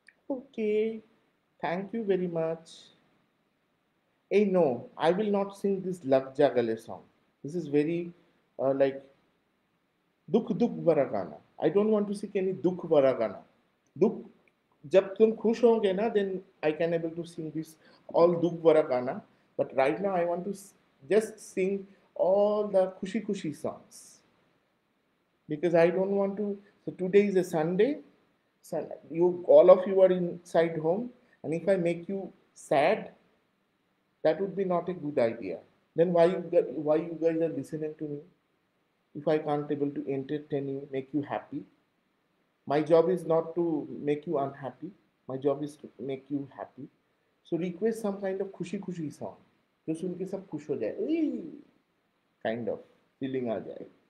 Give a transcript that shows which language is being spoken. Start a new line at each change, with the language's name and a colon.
English: Okay, thank you very much. Hey, no, I will not sing this Lag Ja Gale song. This is very like Dukh Dukh Bhara Gana. I don't want to sing any Dukh Bhara Gana. Dukh.
Hindi: जब तुम खुश होंगे ना,
English: Then I can able to sing this all दुख भरा गाना, but right now I want to just sing all the खुशी खुशी songs, because I don't want to. So today is a Sunday, you all of you are inside home, and if I make you sad, that would be not a good idea. Then why you guys are listening to me if I can't able to entertain you, make you happy? My job is not to make you unhappy. My job is to make you happy. So request some kind of
Hindi: खुशी खुशी song जो सुन के सब खुश हो जाए,
English: kind of feeling
Hindi: आ जाए.